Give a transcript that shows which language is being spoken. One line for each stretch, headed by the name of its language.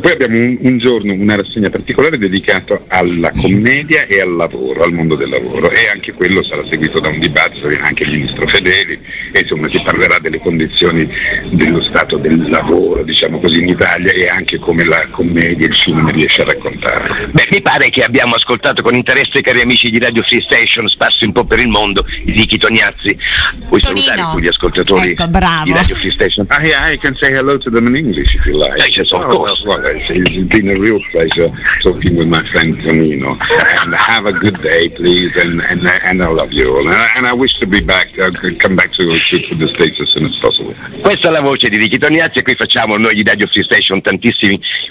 Italian: Poi abbiamo un giorno una rassegna particolare dedicata alla commedia e al lavoro, al mondo del lavoro, e anche quello sarà seguito da un dibattito, viene anche il ministro Fedeli, e insomma si parlerà delle condizioni dello stato del lavoro, diciamo così, in Italia, e anche come la commedia e il cinema riesce a raccontarlo. Beh, mi pare che abbiamo ascoltato con interesse, cari amici di Radio Free Station, Spazio un po' per il mondo, i Ricky Tognazzi. Vuoi Tonino. Salutare tutti gli ascoltatori, ecco, bravo, di Radio Free Station?
English: I can say hello to them in English if you like. Yes, of course. Well, it's been a real pleasure talking with my friend Tonino. And have a good day, please, and I love you all. And I wish to be back, come back to the States as soon as possible.
Italian: Questa è la voce di Ricky Tognazzi, e qui facciamo noi di Radio Free Station tantissimi...